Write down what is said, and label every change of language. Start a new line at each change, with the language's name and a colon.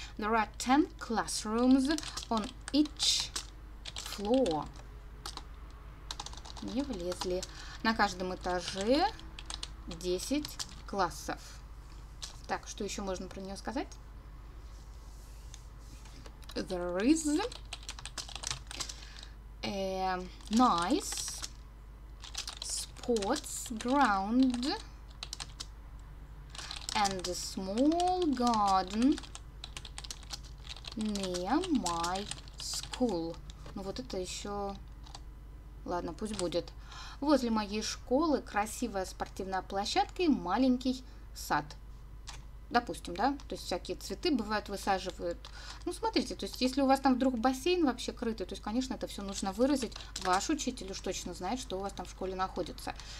English: There are 10 classrooms on each floor.
Russian: Не влезли. На каждом этаже 10 классов. Так, что еще можно про нее сказать?
English: There is a nice sports ground and a small garden near my school.
Russian: Ну вот это еще... Ладно, пусть будет. Возле моей школы красивая спортивная площадка и маленький сад. Допустим, да? То есть всякие цветы бывают высаживают. Ну, смотрите, то есть если у вас там вдруг бассейн вообще крытый, то есть, конечно, это все нужно выразить. Ваш учитель уж точно знает, что у вас там в школе находится.